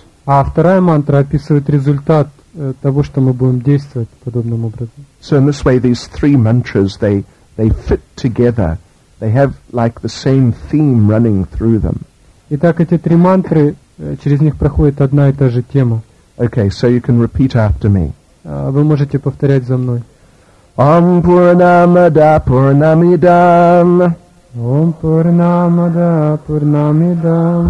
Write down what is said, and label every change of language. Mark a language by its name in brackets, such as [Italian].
[Russian] А вторая мантра описывает результат того, что мы будем действовать подобным образом. [English] So in this way, these three mantras, they fit together. They have like the same theme running through them. [Russian] Итак, эти три мантры, через них проходит одна и та же тема. [English] Okay, so you can repeat after me. [Russian] Вы можете повторять за мной. [Sanskrit] Ом Пурнамада Пурнамидам. Ом Пурнамада Пурнамидам.